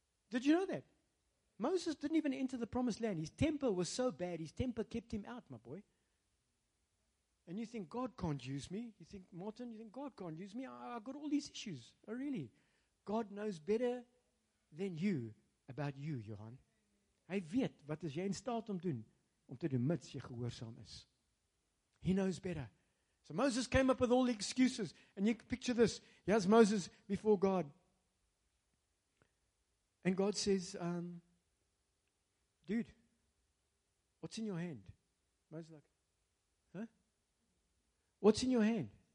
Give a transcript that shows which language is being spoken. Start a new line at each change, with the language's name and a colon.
English: Did you know that? Moses didn't even enter the promised land. His temper was so bad, his temper kept him out, my boy. And you think, God can't use me. You think, Martin, you think, God can't use me. I've got all these issues. Oh, really? God knows better than you about you, Johan.
Afrikaans: Hy weet wat is jy in staat om doen, om te doen mits jy gehoorsaam is.
English: He knows better. So Moses came up with all the excuses. And you can picture this. He has Moses before God. And God says, dude, what's in your hand? Moses is like, huh? What's in your hand?